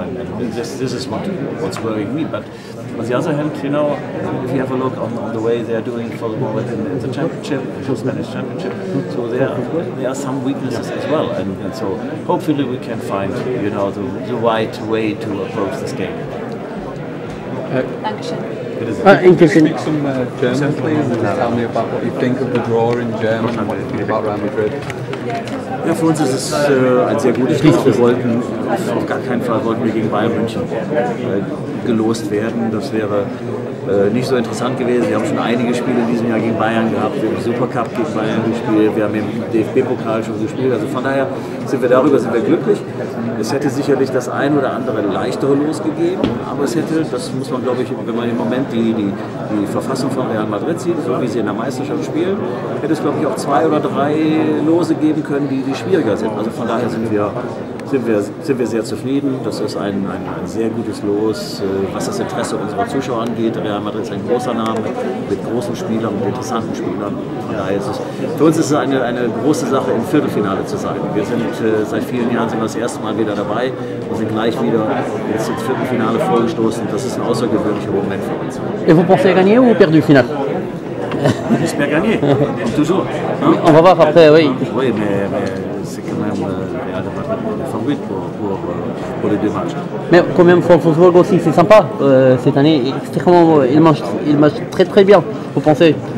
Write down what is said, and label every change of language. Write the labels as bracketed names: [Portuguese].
[English] And this is what's worrying me. But on the other hand, you know, if you have a look on the way they are doing for the moment in the championship, the Spanish championship, so there are some weaknesses as well. And so hopefully we can find, you know, the right way to approach this game. Thank you. Can you speak some German, please, and tell me about what you think of the draw in German and what you think about Real Madrid? [German] Ja, für uns ist es ein sehr gutes Spiel. Wir wollten auf gar keinen Fall gegen Bayern München gelost werden. Das wäre nicht so interessant gewesen. Wir haben schon einige Spiele in diesem Jahr gegen Bayern gehabt. Wir haben den Supercup gegen Bayern gespielt. Wir haben im DFB-Pokal schon gespielt. Also von daher sind wir darüber glücklich. Es hätte sicherlich das ein oder andere leichtere Los gegeben, aber es hätte, das muss man, glaube ich, wenn man im Moment die Verfassung von Real Madrid sieht, so wie sie in der Meisterschaft spielen, hätte es, glaube ich, auch zwei oder drei Lose geben können, die schwieriger sind. Also von daher sind wir sehr zufrieden. Das ist ein sehr gutes Los, was das Interesse unserer Zuschauer angeht. Real Madrid ist ein großer Name mit großen Spielern, mit interessanten Spielern. Von daher ist es, für uns ist es eine große Sache, im Viertelfinale zu sein. Wir sind seit vielen Jahren sind wir das erste Mal wieder dabei und sind gleich wieder jetzt ins Viertelfinale vorgestoßen. Das ist ein außergewöhnlicher Moment für uns. [French] Et vous pensez gagner ou perdre le final? J'espère gagner, toujours. Hein? On va voir après, oui. Oui, mais c'est quand même le favorite pour les deux matchs. Mais quand même, Wolfsburg aussi, c'est sympa cette année. C'est vraiment, il marche très très bien, vous pensez?